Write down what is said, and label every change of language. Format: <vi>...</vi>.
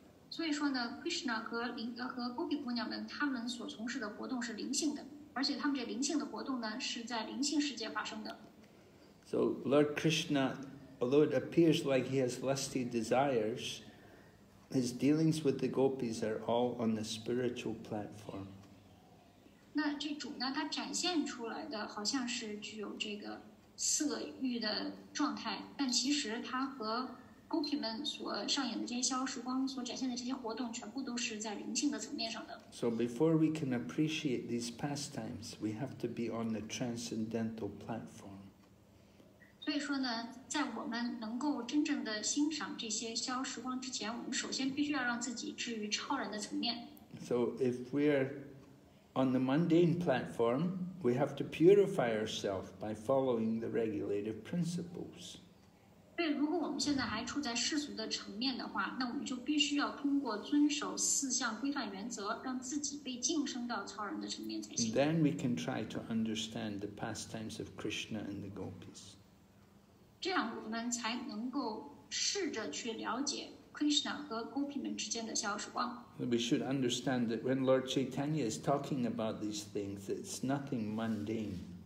<zh>所以说呢 ，Krishna 和 gopi 姑娘们，她们所从事的活动是灵性的，而且她们这灵性的活动呢，是在灵性世界发生的。</zh> <en>So Lord Krishna, although it appears like he has lusty desires, his dealings with the gopis are all on the spiritual platform.</en> <zh>那这主呢，他展现出来的好像是具有这个色欲的状态，但其实他和 Gopi 们所上演的这些逍遥时光所展现的这些活动，全部都是在灵性的层面上的。</zh> <en>So before we can appreciate these pastimes, we have to be on the transcendental platform.</en> <zh>所以说呢，在我们能够真正的欣赏这些逍遥时光之前，我们首先必须要让自己置于超然的层面。</zh> <en>So if we areOn the mundane platform, we have to purify ourselves by following the regulative principles.</en> <zh>对，如果我们现在还处在世俗的层面的话，那我们就必须要通过遵守四项规范原则，让自己被晋升到超人的层面才行。</zh> <en>Then we can try to understand the pastimes of Krishna and the gopis.</en> <zh>这样我们才能够试着去了解Krishna 和 Gopi 们之间的逍遥时光。</zh> <en>We should understand that when Lord Chaitanya is talking about these things, it's nothing mundane.</en>